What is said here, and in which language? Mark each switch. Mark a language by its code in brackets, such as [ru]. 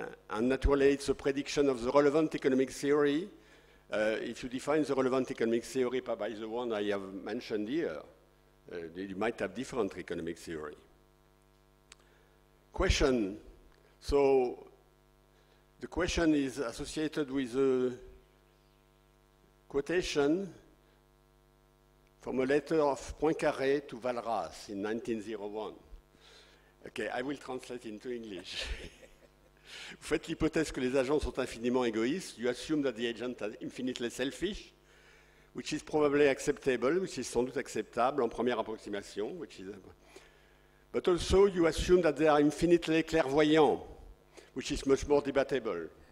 [en] And naturally, it's a prediction of the relevant economic theory. If you define the relevant economic theory by the one I have mentioned here, you might have different economic theory. Question. So the question is associated with a quotation from a letter of Poincaré to Valras in 1901. Okay, I will translate into English. [fr] Vous faites l'hypothèse que les agents sont infiniment égoïstes. [en] You assume that the agent is infinitely selfish, which is probably acceptable, which is [fr] sans doute acceptable en première approximation, [en] which is... But also you assume that they are infinitely clairvoyant, which is much more debatable.